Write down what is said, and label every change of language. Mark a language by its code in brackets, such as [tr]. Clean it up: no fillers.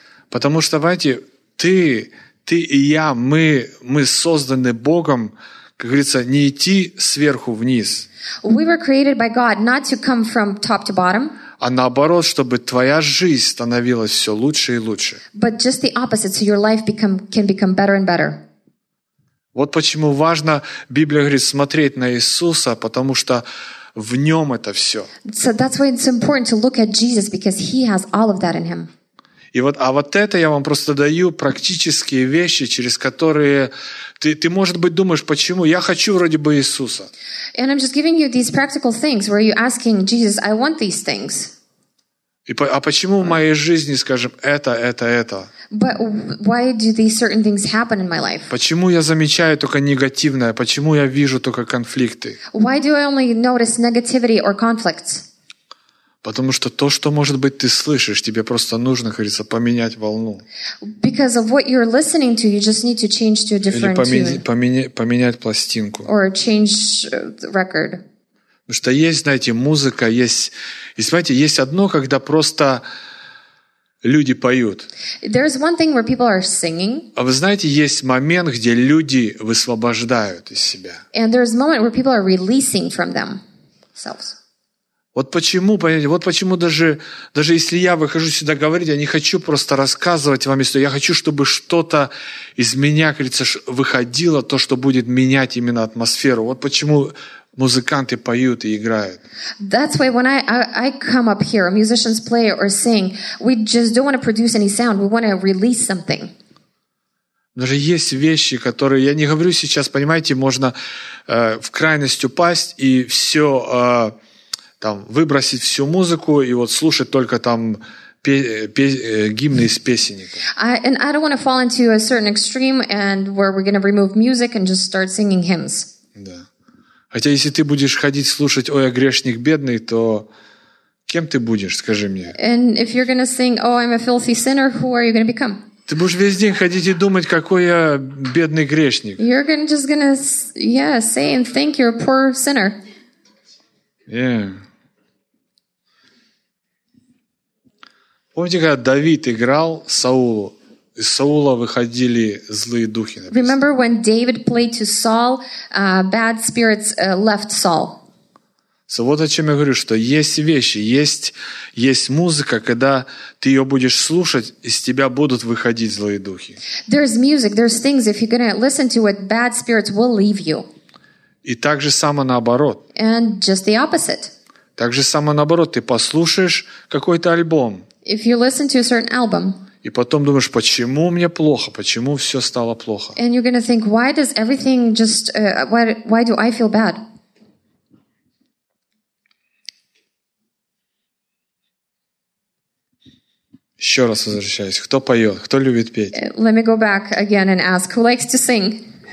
[ru] Потому что, знаете, ты и я, мы созданы Богом, как говорится, не идти сверху вниз. [en] We were created by God not to come from top to bottom. [ru] А наоборот, чтобы твоя жизнь становилась все лучше и лучше. [en] But just the opposite, so your life can become better and better. [ru] Вот почему важно, Библия говорит, смотреть на Иисуса, потому что в Нем это все. [en] So that's why it's important to look at Jesus, because He has all of that in Him. [ru] И вот, а вот это я вам просто даю практические вещи, через которые ты может быть, думаешь, почему? Я хочу вроде бы Иисуса. [en] And I'm just giving you these practical things, where you're asking Jesus, I want these things. [ru] А почему в моей жизни, скажем, это? [en] But why do these certain things happen in my life? [ru] Почему я замечаю только негативное? Почему я вижу только конфликты? [en] Why do I only notice negativity or conflicts? [ru] Потому что то, что, может быть, ты слышишь, тебе просто нужно, как говорится, поменять волну. [en] Because of what you're listening to, you just need to change to a different tune. [ru] Поменять пластинку. [en] Or change the record. [ru] Потому что есть, знаете, музыка, есть... И смотрите, есть одно, когда просто люди поют. [en] There's one thing where people are singing. [ru] А вы знаете, есть момент, где люди высвобождают из себя. [en] And there's a moment where people are releasing from themselves. [ru] Вот почему, понимаете, вот почему даже если я выхожу сюда говорить, я не хочу просто рассказывать вам историю, я хочу, чтобы что-то из меня, кажется, выходило, то, что будет менять именно атмосферу. Вот почему музыканты поют и играют. [en] That's why when I come up here, musicians play or sing, we just don't want to produce any sound, we want to release something. [ru] Даже есть вещи, которые, я не говорю сейчас, понимаете, можно в крайность упасть и все... там выбросить всю музыку и вот слушать только там гимны из песенника. [en] And I don't want to fall into a certain extreme and where we're going to remove music and just start singing hymns. [ru] Да. Хотя если ты будешь ходить слушать «Ой, я грешник бедный», то кем ты будешь, скажи мне? [en] And if you're going to sing «Oh, I'm a filthy sinner», who are you going to become? [ru] Ты будешь весь день ходить и думать, какой я бедный грешник. [en] You're just going to yeah, say and think you're a poor sinner. Yeah. [ru] Помните, когда Давид играл Саулу, из Саула выходили злые духи. Написано. [en] Remember when David played to Saul, bad spirits left Saul. So [ru] вот о чем я говорю, что есть вещи, есть музыка, когда ты ее будешь слушать, из тебя будут выходить злые духи. [en] There's music, there's things. If you're gonna listen to it, bad spirits will leave you. [ru] И так же само наоборот. [en] And just the opposite. [ru] Так же само наоборот. Ты послушаешь какой-то альбом. [en] If you listen to a certain album. [ru] И потом думаешь, почему мне плохо? Почему все стало плохо? [en] And you're going to think, why does everything just, why do I feel bad? [ru] Еще раз возвращаюсь. Кто поет? Кто любит петь? [en] Let me go back again and ask, who likes to sing?